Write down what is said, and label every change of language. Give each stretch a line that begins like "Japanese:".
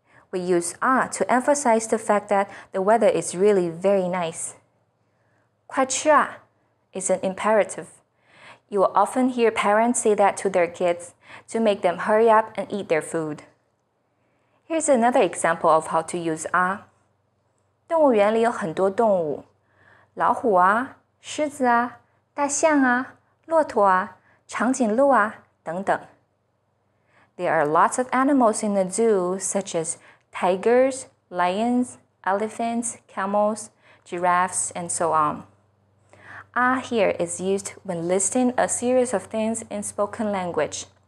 English: We use 啊to emphasize the fact that the weather is really very nice.
Chinese: 快吃啊!
English: It's an imperative. You will often hear parents say that to their kids to make them hurry up and eat their food. Here's another example of how to use 啊.
Chinese: 动物园里有很多动物。老虎啊,狮子啊,大象啊,骆驼啊,长颈鹿啊,等等。
English: There are lots of animals in the zoo, such as tigers, lions, elephants, camels, giraffes, and so on. A here is used when listing a series of things in spoken language.